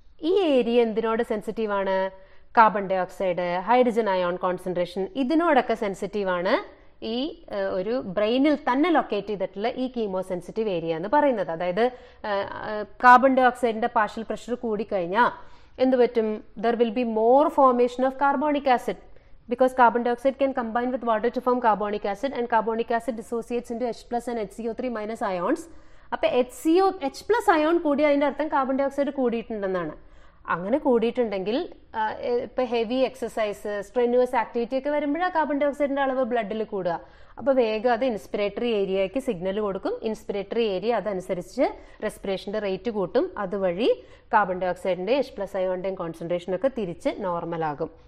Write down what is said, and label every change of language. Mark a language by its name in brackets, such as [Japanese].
[Malayalam] ഈ area എന്തിനോട് sensitive ആണ്? Carbon dye oxide, hydrogen ion concentration ഇതിനോടൊക്കെ sensitive ആണ് ഈ ഒരു ബ്രെയിനിൽ തന്നെ ലൊക്കേറ്റ് ചെയ്തിട്ടുള്ള ഈ കീമോ സെൻസിറ്റീവ് ഏരിയ എന്ന് പറയുന്നത്. അതായത് കാർബൺ ഡൈ ഓക്സൈഡിൻ്റെ പാർഷ്യൽ പ്രഷർ കൂടിക്കഴിഞ്ഞാൽ എന്തുപറ്റും? [English] There will be more formation of carbonic acid. because carbon dioxide can combine with water to form carbonic acid, and carbonic acid dissociates into H plus and HCO3 minus ions. [Malayalam] അപ്പൊ H C O H plus ion കൂടി അതിൻ്റെ അർത്ഥം carbon dioxide കൂടിയിട്ടുണ്ടെന്നാണ്. അങ്ങനെ കൂടിയിട്ടുണ്ടെങ്കിൽ ഇപ്പൊ heavy exercise strenuous activity ഒക്കെ വരുമ്പോഴാണ് carbon ഡയോക്സൈഡിന്റെ അളവ് ബ്ലഡിൽ കൂടുക. അപ്പൊ വേഗം അത് ഇൻസ്പിറേറ്ററി ഏരിയയ്ക്ക് സിഗ്നൽ കൊടുക്കും, ഇൻസ്പിറേറ്ററി ഏരിയ അതനുസരിച്ച് റെസ്പിറേഷന്റെ റേറ്റ് കൂട്ടും, അതുവഴി കാർബൺ ഡയോക്സൈഡിന്റെ എച്ച് പ്ലസ് അയോണിന്റെയും കോൺസെൻട്രേഷൻ ഒക്കെ തിരിച്ച് നോർമലാകും.